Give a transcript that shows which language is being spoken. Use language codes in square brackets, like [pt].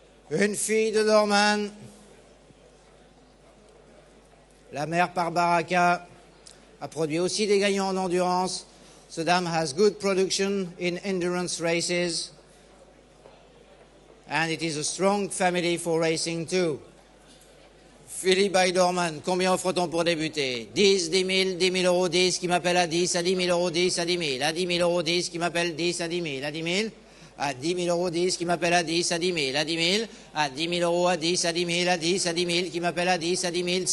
[fr] Une fille de Norman. La mère Barbaraka a produit aussi des gagnants en endurance. [en] The dam has good production in endurance races. And it is a strong family for racing too. [fr] Philippe Baidorman, combien offre-t-on pour débuter? 10, 10 000, 10 000 euros, 10, qui m'appelle à 10, à 10 000 euros, 10, à 10 000. À 10 000 euros, 10, qui m'appelle 10, à 10 000, à 10 000. À 10 000 euros, 10, qui m'appelle à 10, à 10 000, à 10 000. À 10 000 euros, à 10, à 10 000, à 10, à 10 000, qui m'appelle à 10, à 10 000.